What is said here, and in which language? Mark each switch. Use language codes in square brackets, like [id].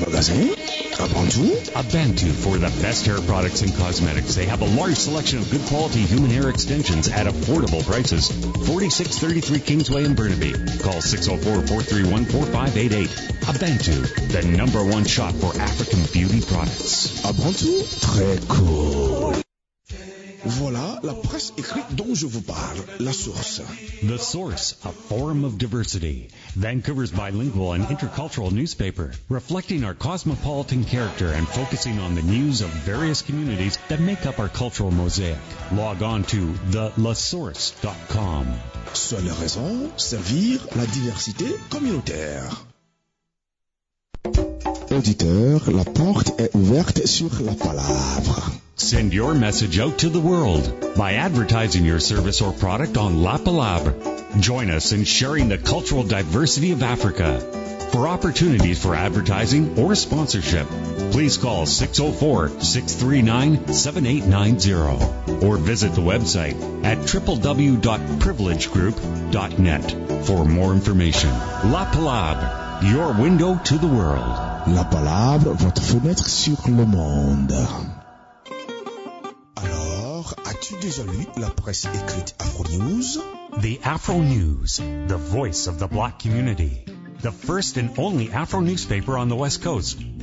[en] For the best hair products and cosmetics, they have a large selection of good quality human hair extensions at affordable prices. 4633 Kingsway in Burnaby. Call 604-431-4588. Abantu, the number one shop for African beauty products. [fr] Abantu, très cool. Voilà la presse écrite dont je vous parle, La Source. [en] The Source, a forum of diversity. Vancouver's bilingual and intercultural newspaper, reflecting our cosmopolitan character and focusing on the news of various communities that make up our cultural mosaic. Log on to thelasource.com. [fr] Seule raison, servir la diversité communautaire. Auditeur, la porte est ouverte sur la palabre. [en] Send your message out to the world by advertising your service or product on La Palabre. Join us in sharing the cultural diversity of Africa. For opportunities for advertising or sponsorship, please call 604-639-7890 or visit the website at www.privilegegroup.net for more information. La Palabre, your window to the world. [fr] La Palabre, votre fenêtre sur le monde. Alors, as-tu déjà lu la presse écrite Afro News? [en] The Afro News, the voice of the black community. The first and only Afro newspaper on the West Coast.